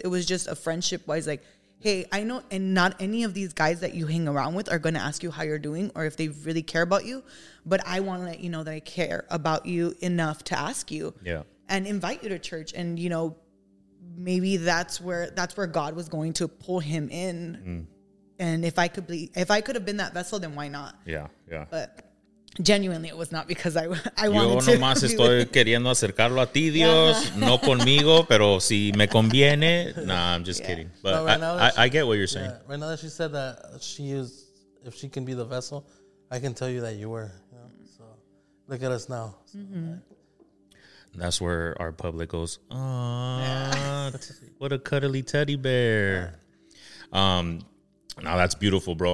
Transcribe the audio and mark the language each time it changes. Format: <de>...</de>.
<en>It was just a friendship wise, like, hey, I know, and not any of these guys that you hang around with are going to ask you how you're doing or if they really care about you, but I want to let you know that I care about you enough to ask you and invite you to church. And, you know, maybe that's where God was going to pull him in. And if I could have been that vessel, then why not? Yeah. But genuinely, it was not because I wanted to.</en> <es>Yo nomás estoy queriendo acercarlo a ti, Dios.</es> <en>Yeah.</en> <es>No conmigo, pero si me conviene.</es> <en>Nah, I'm just kidding. But right now I get what you're saying. Yeah. Right now that she said that if she can be the vessel, I can tell you that you were. Yeah. So look at us now. Mm-hmm. That's where our public goes, what a cuddly teddy bear. Yeah. Now that's beautiful, bro.</en>